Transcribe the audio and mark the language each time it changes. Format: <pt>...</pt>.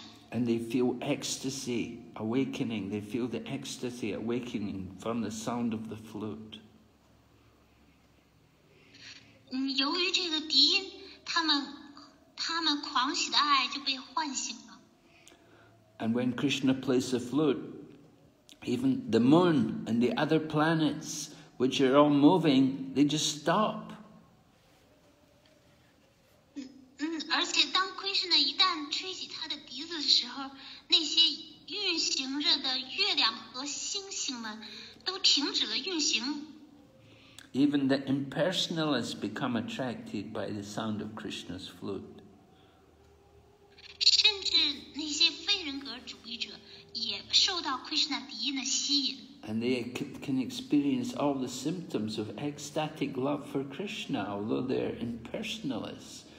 <en>And they feel ecstasy awakening. They feel the ecstasy awakening from the sound of the flute.</en> <zh>由于这个笛音，他们狂喜的爱就被唤醒了。</zh> <en>And when Krishna plays the flute, even the moon and the other planets, which are all moving, they just stop.</en> <zh>而且当 Krishna 一旦吹起他的笛子的时候，那些运行着的月亮和星星们都停止了运行。</zh> <en>Even the impersonalists become attracted by the sound of Krishna's flute.</en> <zh>甚至那些非人格主义者也受到 Krishna 笛音的吸引。</zh> <en>And they can experience all the symptoms of ecstatic love for Krishna, although they're impersonalists.</en>